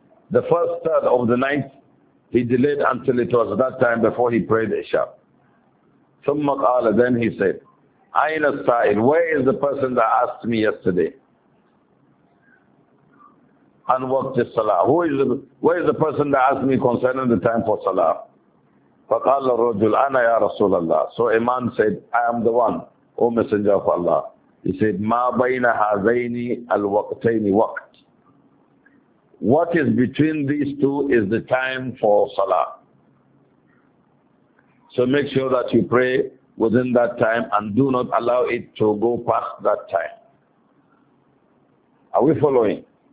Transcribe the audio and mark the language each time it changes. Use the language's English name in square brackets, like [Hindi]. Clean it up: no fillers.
[English] The first third of the night, he delayed until it was that time before he prayed Isha. [Arabic] ثم قال, [English] then he said, [Arabic] أين السائل, [English] where is the person that asked me yesterday? [Arabic] عن وقت الصلاة, [English] where is the person that asked me concerning the time for Salah? [Arabic] فقال الرجل, أنا يا رسول الله. [English] So a man said, I am the one, O Messenger of Allah. He said, [Arabic] ما بين هذين الوقتين وقت. [English] What is between these two is the time for Salah. So make sure that you pray within that time and do not allow it to go past that time. Are we following?